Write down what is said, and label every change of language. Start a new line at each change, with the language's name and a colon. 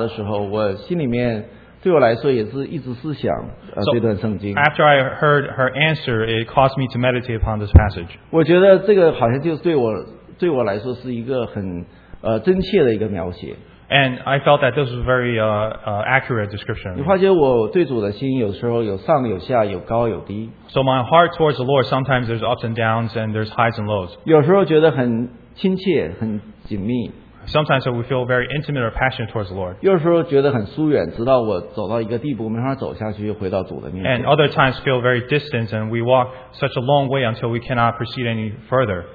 Chinese: 我想听完这个东西，这个回答的时候，我心里面。对我来说也是一直思想这段圣经。
English: So, after I heard her answer, it caused me to meditate upon this passage.
Chinese: 我觉得这个好像就是对我来说是一个很真切的一个描写。
English: And I felt that this was a very accurate description.
Chinese: 你发觉我对主的心有时候有上有下，有高有低。
English: So my heart towards the Lord, sometimes there's ups and downs and there's highs and lows.
Chinese: 有时候觉得很亲切，很紧密。
English: Sometimes we feel very intimate or passionate towards the Lord.
Chinese: 有时候觉得很疏远，直到我走到一个地步，没法走下去，回到主的面前。
English: And other times feel very distant, and we walk such a long way until we cannot proceed any further.